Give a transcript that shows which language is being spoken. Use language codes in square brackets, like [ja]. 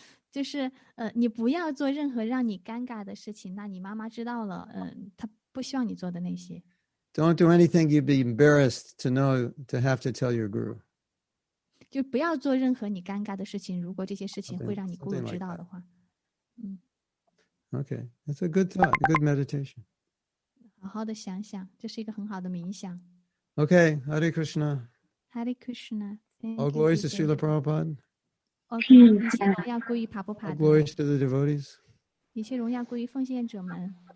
[zh] 就是你不要做任何让你尴尬的事情，那你妈妈知道了，她不希望你做的那些。 [en] Don't do anything you'd be embarrassed to know to have to tell your guru. [zh] 就不要做任何你尴尬的事情，如果这些事情会让你guru知道的话。 [en] Okay, that's a good thought, a good meditation. [zh] 好好的想想，这是一个很好的冥想。 [en] Okay, Hare Krishna. Hare Krishna. All glories to Srila Prabhupada. All glories to the devotees. [zh] 一切荣耀归于奉献者们。